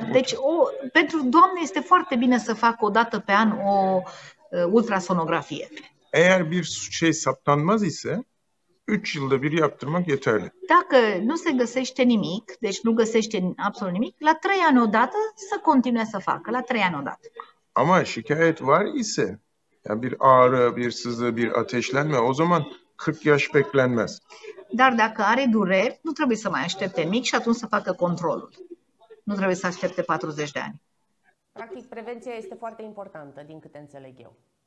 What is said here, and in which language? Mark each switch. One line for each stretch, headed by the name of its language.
Romanian: Deci, pentru doamne este foarte bine să facă o dată pe an o ultrasonografie.
Turkish: Eğer bir şey saptanmaz ise 3 yılda bir yaptırmak yeterli.
Romanian: Dacă nu se găsește nimic, deci nu găsește absolut nimic, la 3 ani odată să continue să facă, la 3 ani odată.
Turkish: Ama şikayet var ise, yani bir ağrı, bir sızı, bir ateşlenme, o zaman 40 yaş beklenmez.
Romanian: Dar dacă are dureri, nu trebuie să mai aștepte mic și atunci să facă controlul. Nu trebuie să aștepte 40 de ani. Practic, prevenția este foarte importantă, din câte înțeleg eu.